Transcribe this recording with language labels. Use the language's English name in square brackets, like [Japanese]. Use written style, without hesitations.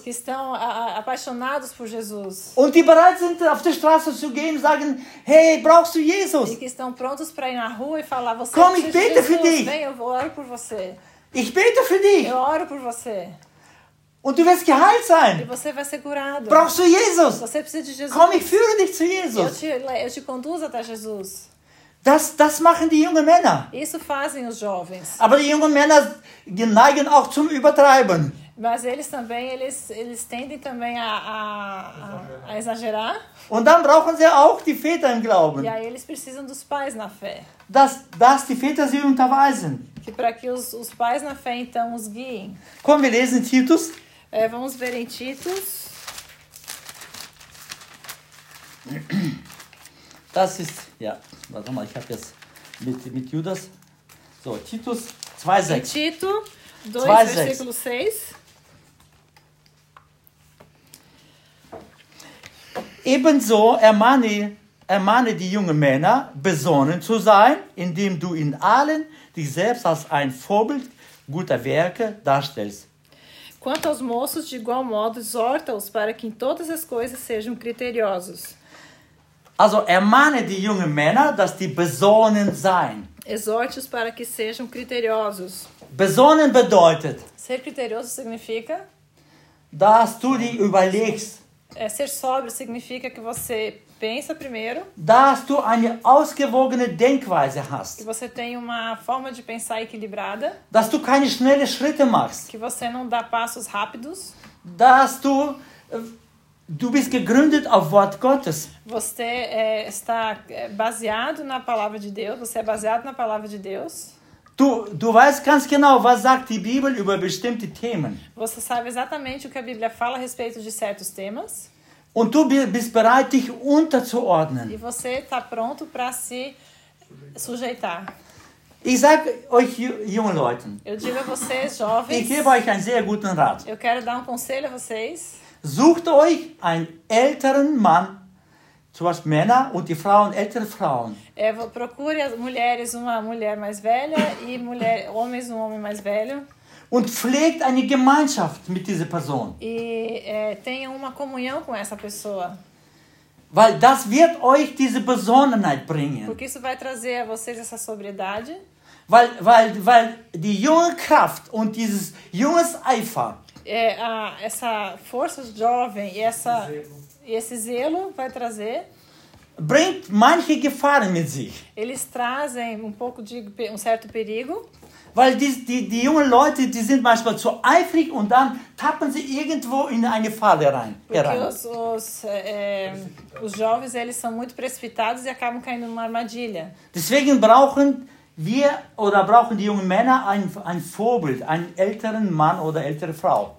[Portuguese] Que estão apaixonados por Jesus. [German] Und die bereit sind auf der Straße zu gehen und sagen, hey, brauchst du Jesus? [Portuguese] E que estão prontos para ir na rua e falar, você [German] Komm, ich bete Jesus, für dich. [Portuguese] Vem, eu oro por você. [German] Ich bete für dich. [Portuguese] Eu oro por você. [German] Und du wirst geheilt sein. [Portuguese] E você vai ser curado. [German] Brauchst du Jesus? [Portuguese] Você precisa de Jesus. [German] Komm, ich führe dich zu Jesus. [Portuguese] Eu te conduzo até Jesus. [German] Das machen die jungen Männer. [Portuguese] Isso fazem os jovens. [German] Aber die jungen Männer neigen auch zum Übertreiben. [Portuguese] Mas eles também, eles tendem também a exagerar. [German] Und dann brauchen sie auch die Väter im Glauben. [Portuguese] E aí eles precisam dos pais na fé. [German] Dass die Väter sie unterweisen. [Portuguese] Que para que os pais na fé então os guiem. Como beleza em Titus? É, vamos ver em Titus. [German] Das ist ja, warte mal, ich habe jetzt mit Judas. So, Titus 2:6. [Portuguese] Tito 2, 2 versículo 6. [German] Ebenso ermahne die jungen Männer, besonnen zu sein, indem du in allen dich selbst als ein Vorbild guter Werke darstellst. [Portuguese] Quanto aos moços, de igual modo, exorta-os para que em todas as coisas sejam criteriosos. [German] Also ermahne die jungen Männer, dass die besonnen sein. [Portuguese] Exorte-os para que sejam criteriosos. [German] Besonnen bedeutet. [Portuguese] Ser criterioso significa. [German] Dass du dich überlegst. [Portuguese] É, ser sóbrio significa que você pensa primeiro. [German] Dass du eine ausgewogene Denkweise hast. [Portuguese] Que você tem uma forma de pensar equilibrada. [German] Dass du keine schnellen Schritte machst. [Portuguese] Que você não dá passos rápidos. [German] Dass du bist gegründet auf Wort Gottes. [Portuguese] Você está baseado na palavra de Deus. Você é baseado na palavra de Deus. [German] Du weißt ganz genau, was sagt die Bibel über bestimmte Themen. [Portuguese] Você sabe exatamente o que a Bíblia fala a respeito de certos temas. [German] Und du bist bereit, dich unterzuordnen. [Portuguese] E você está pronto para se sujeitar. [German] Ich sage euch jungen Leuten. [Portuguese] Eu digo a vocês, jovens. [German] Ich gebe euch einen sehr guten Rat. [Portuguese] Eu quero dar um conselho a vocês. [German] Sucht euch einen älteren Mann. Zum Beispiel Männer und die Frauen, ältere Frauen. [Portuguese] Procure as mulheres uma mulher mais velha e homens um homem mais velho. [German] Und pflegt eine Gemeinschaft mit dieser Person. [Portuguese] Tenha uma comunhão com essa pessoa. [German] Weil das wird euch diese Besonnenheit bringen. [Portuguese] Porque isso vai trazer a vocês essa sobriedade. [German] Weil die junge Kraft und dieses junges Eifer. [Portuguese] Essa força jovem e essa... E esse zelo vai trazer. [German] Bringt manche Gefahren mit sich. [Portuguese] Eles trazem um pouco de um certo perigo. [German] Weil die jungen Leute, die sind manchmal zu eifrig und dann tappen sie irgendwo in eine Falle rein. [Portuguese] Porque os jovens, eles são muito precipitados e acabam caindo numa armadilha. [German] Deswegen brauchen Wir oder brauchen die jungen Männer ein Vorbild, einen älteren Mann oder ältere Frau.